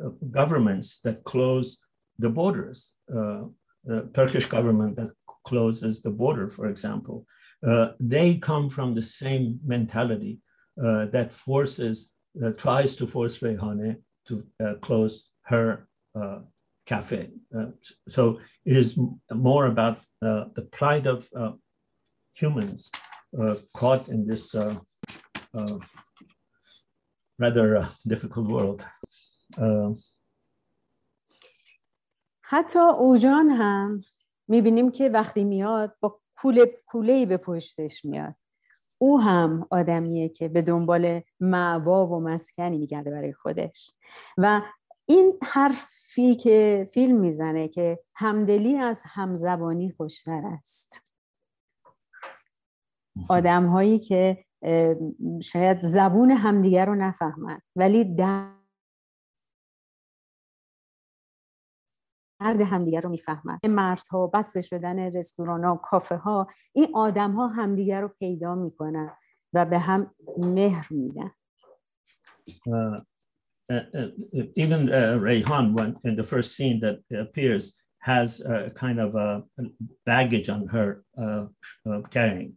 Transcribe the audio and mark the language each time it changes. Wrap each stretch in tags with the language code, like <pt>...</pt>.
<en>Governments that close the borders, the Turkish government that closes the border, for example, they come from the same mentality that forces, that tries to force Reyhane to close her cafe. So it is more about the plight of humans caught in this rather difficult world.</en> <fa>حتی اوجان هم میبینیم که وقتی میاد با کوله‌ای به پشتش میاد. او هم آدمیه که به دنبال مأوا و مسکنی میگرده برای خودش. و این حرفی که فیلم میزنه که همدلی از همزبانی خوشتر است. آدم هایی که شاید زبون همدیگر رو نفهمند ولی درد همدیگر رو میفهمند. مردها بسته شدن رستوران ها، کافه ها، این آدم ها همدیگر رو پیدا میکنن و به هم مهر میدن.</fa> <en>Even Reyhan, when in the first scene that appears, has a kind of a baggage on her carrying.</en>